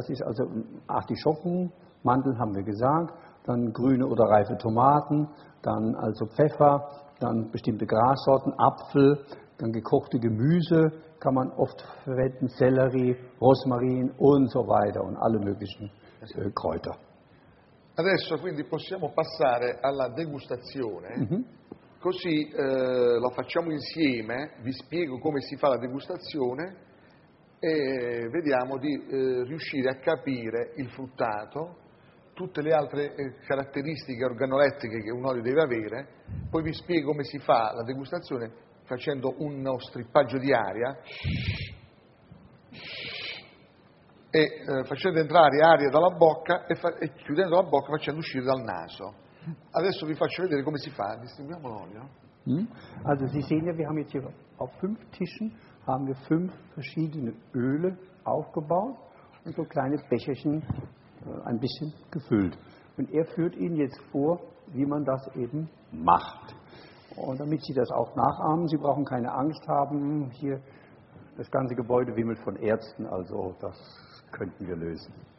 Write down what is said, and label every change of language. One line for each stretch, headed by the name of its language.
German: Das ist also Artischocken, Mandeln haben wir gesagt, dann grüne oder reife Tomaten, dann also Pfeffer, dann bestimmte Grassorten, Apfel, dann gekochte Gemüse. Kann man oft verwenden, Sellerie, Rosmarin und so weiter und alle möglichen Kräuter.
Italian: Adesso quindi possiamo passare alla degustazione, così la facciamo insieme, vi spiego come si fa la degustazione e vediamo di riuscire a capire il fruttato, tutte le altre caratteristiche organolettiche che un olio deve avere, poi vi spiego come si fa la degustazione facendo uno strippaggio di aria e facendo entrare aria dalla bocca e chiudendo la bocca facendo uscire dal naso. Adesso vi faccio vedere come si fa. Distinguiamo l'olio.
German: Also Sie sehen ja, wir haben jetzt hier auf fünf Tischen haben wir fünf verschiedene Öle aufgebaut und so kleine Becherchen ein bisschen gefüllt. Und führt Ihnen jetzt vor, wie man das eben macht. Und damit Sie das auch nachahmen, Sie brauchen keine Angst haben, hier das ganze Gebäude wimmelt von Ärzten, also das könnten wir lösen.